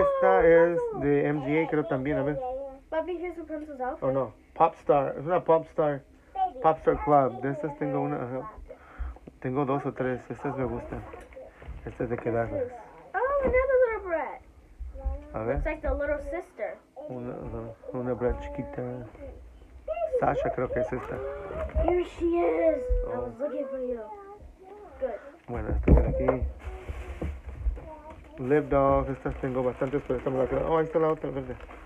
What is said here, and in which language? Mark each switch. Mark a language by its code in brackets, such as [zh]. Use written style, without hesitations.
[es] esta es de MGA, creo también. A ver. [en] Papi, here's the princess outfit. [es] Oh, no. Popstar. Es una Popstar. Popstar Club. De estas tengo una. Ajá. Tengo dos o tres. Estas me gustan. Estas de quedarlas. [en] Oh, another little brat. [es] A ver. [en] It's like the little sister. [es] Una brat chiquita. Sasha, creo que es esta. [en] Here she is. Oh. I was looking for you. Good. [es] Bueno, estas de aquí. Lip dogs. Estas tengo bastantes, pero estamos acá. Oh, ahí está la otra verde.